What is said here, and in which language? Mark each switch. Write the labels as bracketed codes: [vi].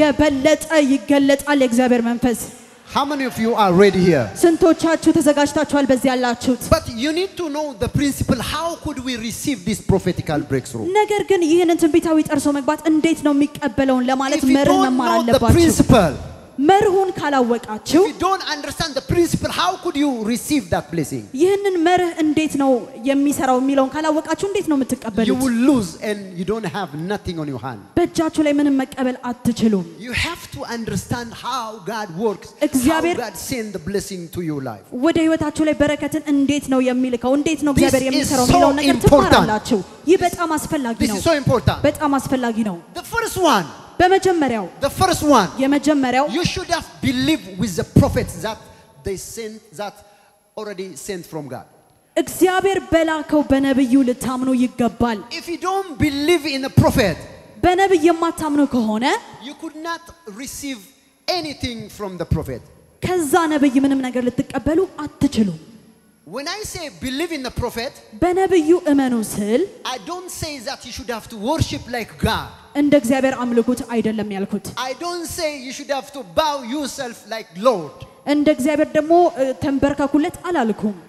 [am] የበለጠ ይገለጣል የእግዚአብሔር መንፈስ። [en] How many of you are ready here? [am] ስንቶቻችሁ ተዘጋጅታችኋል በዚህ ያላችሁት? [en] But you need to know the principle. How could we receive this prophetical breakthrough? [am] ነገር ግን ይሄንን ትንቢታዊ ጥርሶ መግባት እንዴት ነው የሚቀበለውን ለማለት መርህ መማር አለባችሁ። [en] The principle. [am] መርሁን ካላወቃችሁ? [en] If you don't understand the principle, how could you receive that blessing? [am] ይሄንን መርህ እንዴት ነው የሚሰራው የሚለውን ካላወቃችሁ እንዴት ነው የምትቀበሉት? [en] You will lose and you don't have nothing on your hand. [am] በእጃችሁ ላይ ምንም መቀበል አትችሉም። [en] You have to understand how God works. እግዚአብሔር God send the blessing to your life. [am] ወደ ህይወታችሁ ላይ በረከትን እንዴት ነው የሚልከው? እንዴት ነው እግዚአብሔር የሚሰራው የሚለውን ነገር ትማራላችሁ። ይህ በጣም አስፈላጊ ነው። [en] This is so important. [am] በጣም አስፈላጊ ነው። [en] The first one. [am] በመጀመሪያው [en] The first one. [am] የመጀመሪያው [en] You should have believe with the prophet that they sent that already sent from God. [am] እግዚአብሔር በላከው በነብዩ ልታምኑ ይገባል። [en] If you don't believe in the prophet, [am] በነብዩ የማታምኑ ከሆነ [en] you could not receive anything from the prophet. [am] ከዛ ነብዩ ምንም ነገር ልትቀበሉ አትችሉም። [en] When I say believe in the prophet, [am] በነብዩ እመኑ ስል [en] I don't say that you should have to worship like God. [am] እንደ እግዚአብሔር አምልኩት አይደለም ያልኩት። [en] I don't say you should have to bow yourself like Lord. [am] እንደ እግዚአብሔር ደግሞ ተንበርካኩለት አላልኩም።